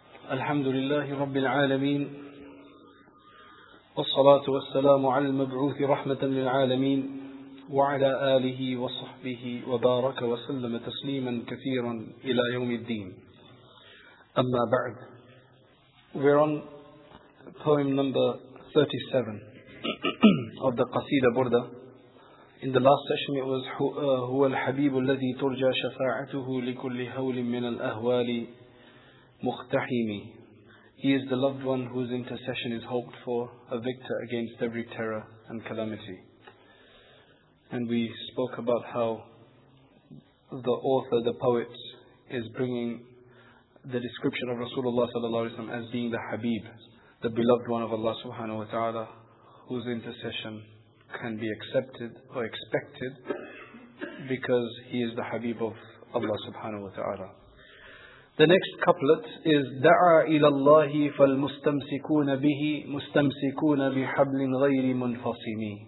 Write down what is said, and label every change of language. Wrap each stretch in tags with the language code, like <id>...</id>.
<ar>الحمد لله رب العالمين، والصلاة والسلام على المبعوث رحمة للعالمين وعلى آله وصحبه وبارك وسلم تسليما كثيرا إلى يوم الدين. أما بعد،</ar> <en>we're on poem number 37 of the Qasida Burda. In the last session it was</en> <ar>هو الحبيب الذي ترجى شفاعته لكل هول من الأهوال مختحيمي.</ar> <en>He is the loved one whose intercession is hoped for, a victor against every terror and calamity. And we spoke about how the author, the poet, is bringing the description of Rasulullah sallallahu alaihi wasallam as being the Habib, the beloved one of Allah subhanahu wa ta'ala, whose intercession can be accepted or expected because he is the Habib of Allah subhanahu wa ta'ala. The next couplet is</en> <ar>دَعَى إِلَى اللَّهِ فَالْمُسْتَمْسِكُونَ بِهِ مُسْتَمْسِكُونَ بِحَبْلٍ غَيْرِ مُنْفَصِمِ.</ar>